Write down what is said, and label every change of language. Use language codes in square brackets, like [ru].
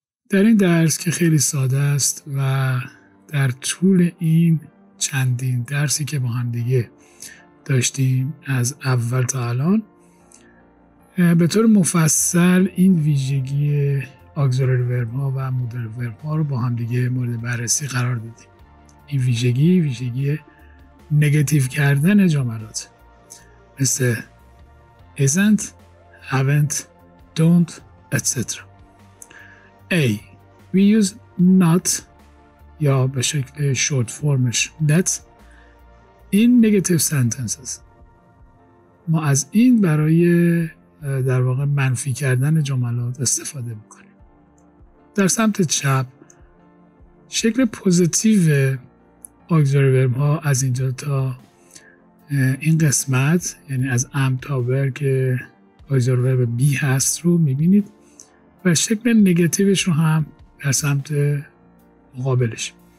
[fa] در این درس که خیلی ساده است و در طول این چندین درسی که با هم دیگه داشتیم از اول تا الان به طور مفصل این ویژگی auxiliary verb ها و modal verb ها رو با هم دیگه مورد بررسی قرار دادیم. این ویژگی نگاتیو کردن جملات مثل isn't, haven't, don't, etc. [en] A. We use not [fa] یا به شکل [en] short formش that in negative sentences. [fa] ما از این برای در واقع منفی کردن جملات استفاده میکنیم. در سمت چپ شکل پوزیتیو auxiliary verb ها از اینجا تا این قسمت، یعنی از am تا where که auxiliary verb be هست رو میبینید و شکل نگاتیوش رو هم در سمت مقابلش.